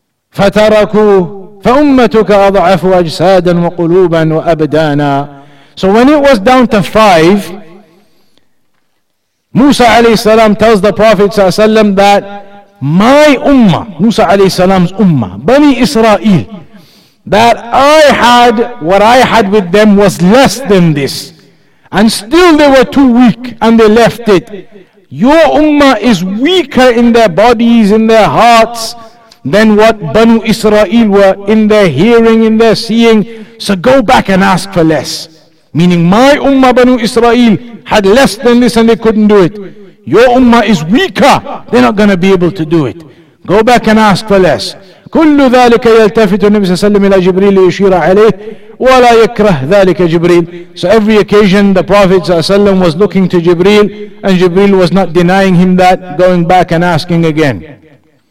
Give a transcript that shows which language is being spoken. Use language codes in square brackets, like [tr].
[ar] فتركوا فأمتك أضعف أجسادا وقلوبا وأبدانا. [en] So when it was down to five, Musa alayhi salam tells the Prophet sallallahu alayhi wasallam that my ummah, Musa alayhi salam's ummah, Bani Israel, that I had, what I had with them was less than this. And still they were too weak and they left it. Your ummah is weaker in their bodies, in their hearts, than what Banu Israel were in their hearing, in their seeing. So go back and ask for less. Meaning my ummah Banu Israel had less than this and they couldn't do it. Your ummah is weaker. They're not going to be able to do it. Go back and ask for less. [ar] كل ذلك يلتفت النبي صلى الله عليه وسلم إلى جبريل ليشير عليه ولا يكره ذلك جبريل. [en] So every occasion the Prophet صلى الله عليه وسلم was looking to Jibreel and Jibreel was not denying him that, going back and asking again.